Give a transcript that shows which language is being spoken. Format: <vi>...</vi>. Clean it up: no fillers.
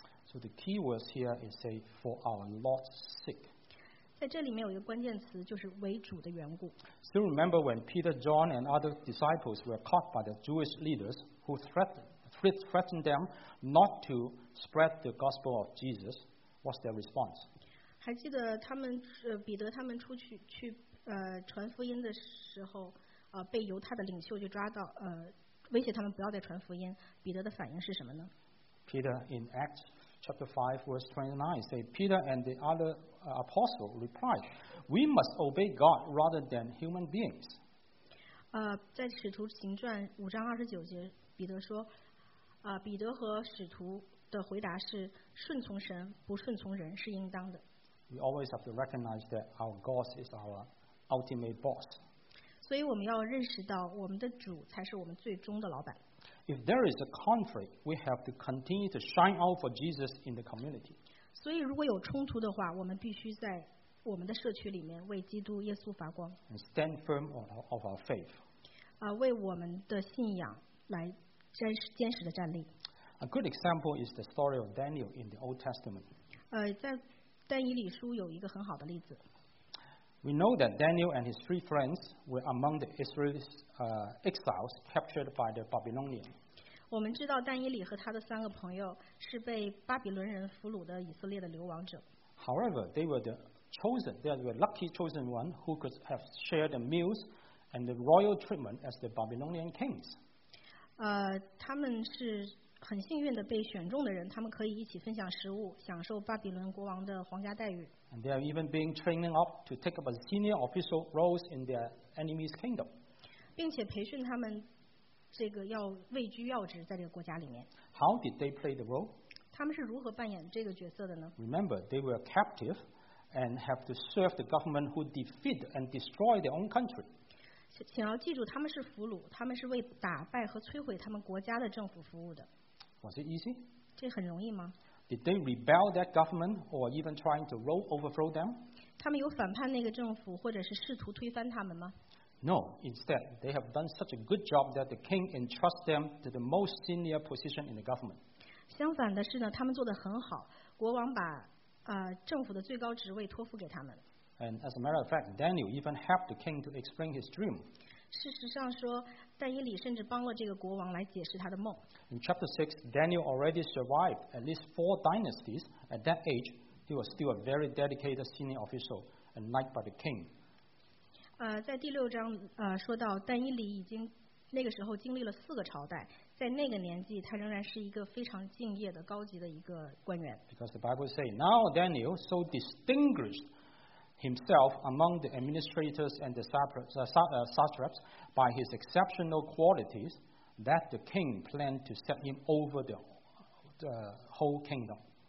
<en>So the key words here is say for our Lord's sake.</en> <zh>在这里面有一个关键词，就是为主的缘故。</zh> <en>Still remember when Peter, John, and other disciples were caught by the Jewish leaders who threatened them not to spread the gospel of Jesus? What's their response?</en> <zh>还记得他们彼得他们出去去传福音的时候被犹太的领袖就抓到威胁他们不要再传福音，彼得的反应是什么呢？</zh> <en>Peter in Acts chapter 5 verse 29 say Peter and the other apostle replied, we must obey God rather than human beings.</en> <zh>在使徒行传五章二十九节彼得说彼得和使徒的回答是顺从神不顺从人是应当的。</zh> <en>We always have to recognize that our God is our ultimate boss.</en> <zh>所以我们要认识到我们的主才是我们最终的老板。</zh> <en>If there is a conflict, we have to continue to shine out for Jesus in the community.</en> <zh>所以如果有冲突的话，我们必须在我们的社区里面为基督耶稣发光。</zh> <en>And stand firm of our faith.</en> <zh>为我们的信仰来坚实的站立。</zh> <en>A good example is the story of Daniel in the Old Testament.</en> <zh>在但以理书有一个很好的例子。</zh> <en>We know that Daniel and his three friends were among the Israelis, exiles captured by the Babylonians.</en> <zh>我们知道但以理和他的三个朋友是被巴比伦人俘虏的以色列的流亡者。</zh> <en>However, they were the chosen, they were lucky chosen one who could have shared the meals and the royal treatment as the Babylonian kings.</en> <zh>他们是很幸运的被选中的人，他们可以一起分享食物，享受巴比伦国王的皇家待遇。</zh> <en>And they are even being trained up to take up a senior official roles in their enemy's kingdom.</en> <zh>并且培训他们这个要位居要职在这个国家里面。</zh> <en>How did they play the role?</en> <zh>他们是如何扮演这个角色的呢？</zh> <en>Remember, they were captive and have to serve the government who defeat and destroy their own country.</en> <zh>请要记住，他们是俘虏，他们是为打败和摧毁他们国家的政府服务的。</zh> <en>Was it easy?</en> <zh>这很容易吗？</zh> <en>Did they rebel that government or even trying to overthrow them?</en> <zh>他们有反叛那个政府或者是试图推翻他们吗？</zh> <en>No, instead, they have done such a good job that the king entrusted them to the most senior position in the government.</en> <zh>相反的是呢，他们做得很好，国王把政府的最高职位托付给他们。</zh> <en>And as a matter of fact, Daniel even helped the king to explain his dream.</en> <zh>事实上说，但以理甚至帮了这个国王来解释他的梦。</zh> <en>In chapter 6, Daniel already survived at least four dynasties. At that age, he was still a very dedicated senior official and liked by the king.</en> <zh>在第六章说到但以理已经那个时候经历了四个朝代，在那个年纪他仍然是一个非常敬业的高级的一个官员。</zh> <en>Because the Bible says, now Daniel so distinguished himself among the administrators and the satraps by his exceptional qualities that the king planned to set him over the whole kingdom.</en>